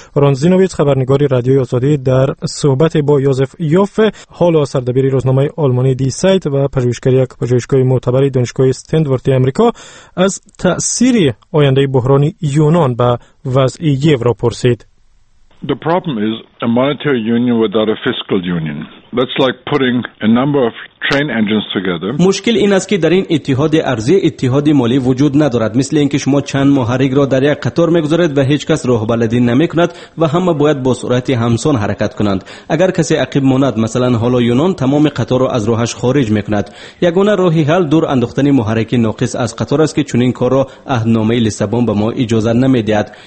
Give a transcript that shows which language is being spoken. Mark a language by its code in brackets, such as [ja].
[fa] رون زینوویچ، خبرنگار رادیوی آزادی، در صحبت با یوزف یوف، حال سردبیر روزنامه آلمانی دی سایت و پژوهشگر یک پژوهشگاه معتبر دانشگاه استنفورد آمریکا، از تأثیر آینده بحران یونان به وضع یورو پرسید. [en] The problem is a monetary union without a fiscal union. That's like putting a number of train engines together. [fa] مشکل این است که در این اتحاد ارزی اتحاد مالی وجود ندارد. مثل اینکه شما چند محرک را در یک قطار میگذارید و هیچ کس راه بلدی نمیکند و همه باید با سرعت همسان حرکت کنند. اگر کسی عقب ماند، مثلا حالا یونان تمام قطار را از راهش خارج میکند. یگانه راه حل دور انداختن محرک ناقص از قطار است که چنین کار را عهدنامه لیسابون به ما اجازه نمیدهد.